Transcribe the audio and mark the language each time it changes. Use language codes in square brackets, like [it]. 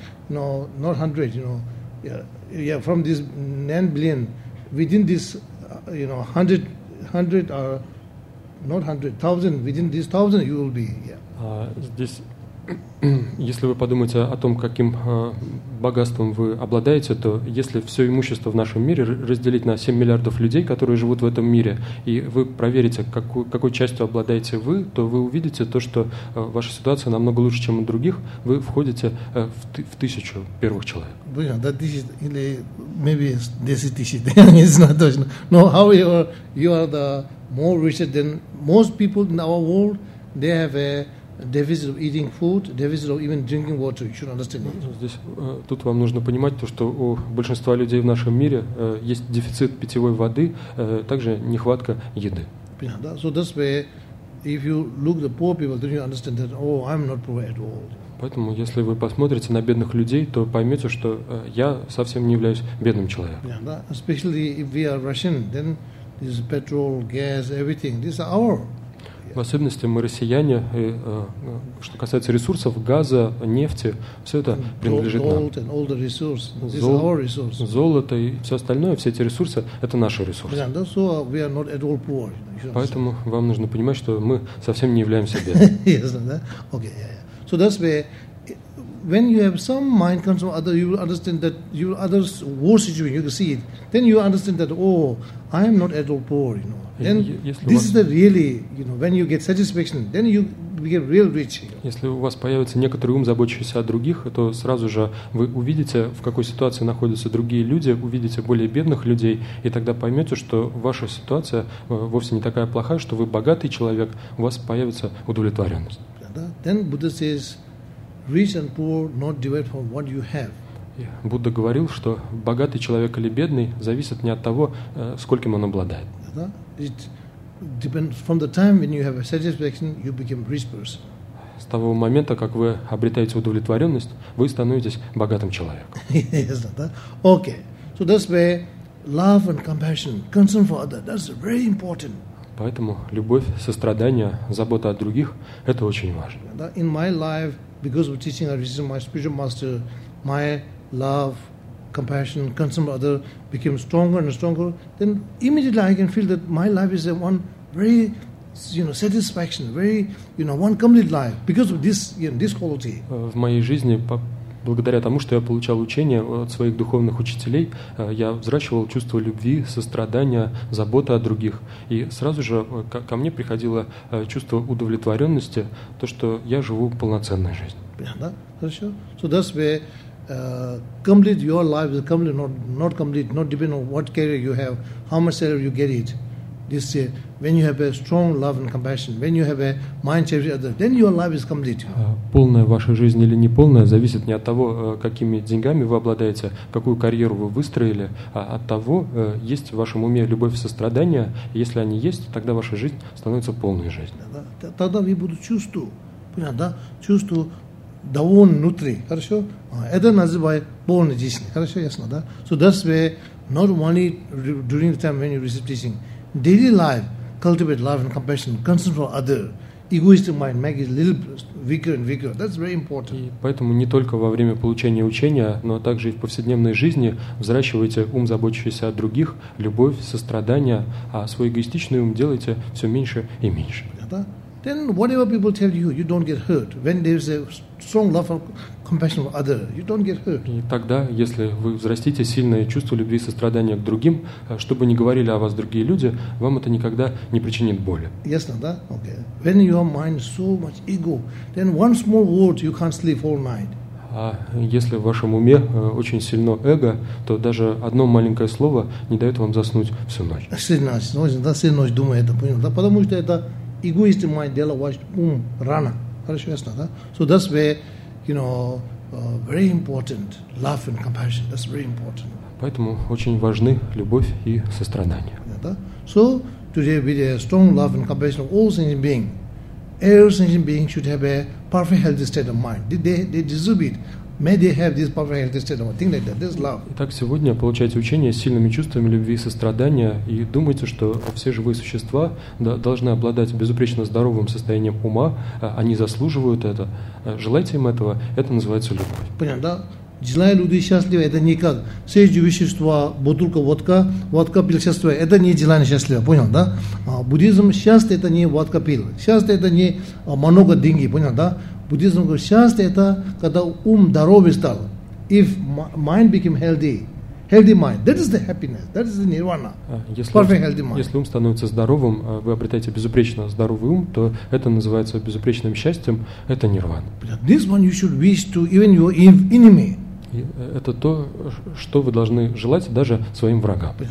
[en] No, not 100. You know, yeah. From this 9 billion, within this, you know, 100 or not 100,000. Within this 1,000, you will be. Yeah. [ru] Если вы подумаете о том, каким богатством вы обладаете, то если все имущество в нашем мире разделить на 7 миллиардов людей, которые живут в этом мире, и вы проверите, какой частью обладаете вы, то вы увидите то, что ваша ситуация намного лучше, чем у других. Вы входите в тысячу первых человек. Да, тысяча, или [en] maybe [ru] 10 тысяч, я не знаю точно. Но как вы, [en] you are the more richer than most people in our world, they have a deficit of eating food, deficit of even drinking water. You should understand. [ru] Здесь тут вам нужно понимать то, что у большинства людей в нашем мире есть дефицит питьевой воды, также нехватка еды. [en] So that's where, if you look the poor people, then you understand that. Oh, I'm not poor at all. [ru] Поэтому, если вы посмотрите на бедных людей, то поймете, что я совсем не являюсь бедным человеком. [en] Yeah, especially if we are Russian, then this petrol, gas, everything, this is our. [ru] В особенности мы россияне, и, что касается ресурсов, газа, нефти, все это принадлежит нам. [en] Gold and all the resources. This is our resource. [ru] Золото и все остальное, все эти ресурсы, это наши ресурсы. [en] We are not at all poor. [ru] Поэтому вам нужно понимать, что мы совсем не являемся бедными. [en] Yes, [ru] да? [en] Okay, yeah. So that's where, when you have some mind comes from other, you will understand that you others worse situation, you can see it. Then you understand that, oh, I am not at all poor, you know. Then this is the really, you know, when you get satisfaction, then you get real rich. [ru] Если у вас появится некоторый ум, заботящийся о других, то сразу же вы увидите, в какой ситуации находятся другие люди, увидите более бедных людей, и тогда поймете, что ваша ситуация вовсе не такая плохая, что вы богатый человек, у вас появится удовлетворенность. [en] Then Buddha says, rich and poor not divide from what you have. [ru] Будда говорил, что богатый человек или бедный зависит не от того, скольким он обладает. [en] It depends from the time when you have a satisfaction, you become rich person. [ru] С того момента, как вы обретаете удовлетворенность, вы становитесь богатым человеком. [en] Yes, that, okay. So that's where love and compassion, concern for others, that's very important. [ru] Поэтому любовь, сострадание, забота о других – это очень важно. [en] In my life, because of teaching and receiving my spiritual master, my love, compassion, concern for others became stronger and stronger. Then immediately I can feel that my life is one very, you know, satisfaction, very, you know, one complete life because of this, you know, this quality. [ru] В моей жизни, благодаря тому, что я получал учение от своих духовных учителей, я взращивал чувство любви, сострадания, заботы о других. И сразу же ко мне приходило чувство удовлетворенности, то, что я живу полноценной жизнью. Да, хорошо. [en] So that's where complete your life is complete, not depend on what career you have, how much salary you get it. this year, when you have a strong love and compassion, when you have a mind change, then your life is complete. [ru] Полная ваша жизнь или не полная зависит не от того, какими деньгами вы обладаете, какую карьеру вы выстроили, а от того, есть в вашем уме любовь и сострадание. Если они есть, тогда ваша жизнь становится полной жизнью. Тогда вы будете чувствовать, понятно, да? Чувство довольны внутри, хорошо? Это называют полной жизнью, хорошо, ясно, да? [en] So that's where not only during the time when you receive teaching, daily life, cultivate love and compassion, concern for other, egoistic mind, make it a little weaker and weaker. That's very important. [ru] И поэтому не только во время получения учения, но также и в повседневной жизни взращивайте ум, заботящийся о других, любовь, сострадание, а свой эгоистичный ум делайте все меньше и меньше. [en] Then whatever people tell you, you don't get hurt. When there is a strong love and compassion for other, you don't get hurt. [ru] И тогда, если вы взрастите сильное чувство любви и сострадания к другим, чтобы не говорили о вас другие люди, вам это никогда не причинит боли. Ясно, да? [en] Okay. When your mind is so much ego, then one small word you can't sleep all night. [ru] А если в вашем уме очень сильно эго, то даже одно маленькое слово не дает вам заснуть всю ночь. Всю ночь думаю это, понял? Да, потому что это [en] egoist in mind, [ru] dela watch boom rana. Хорошо, ясно, да? [en] So that's where, you know, very important love and compassion. That's very important. [ru] Поэтому очень важны любовь и сострадание. [en] So today with a strong love and compassion of all sentient beings, every sentient being should have a perfect healthy state of mind. They deserve it. May they have this perfect healthy state of mind. Think like that. This is love. [ru] Итак, сегодня получайте учение с сильными чувствами любви и сострадания и думайте, что все живые существа должны обладать безупречно здоровым состоянием ума. Они заслуживают это. Желайте им этого. Это называется любовь. Понятно, да? Желаю людей счастливы, это не как все эти вещества, бутылка водка пил счастливо, это не желание счастливо, понял, да? Буддизм счастье это не водка пил, счастье это не много деньги, понял, да? Буддизм говорит, счастье это когда ум здоровый стал, [en] if mind became healthy mind, that is the happiness, that is the nirvana, perfect healthy mind. [ru] Если ум становится здоровым, вы обретаете безупречно здоровый ум, то это называется безупречным счастьем, это нирвана. [en] This one you should wish to even your enemy. [ru] Это то, что вы должны желать даже своим врагам.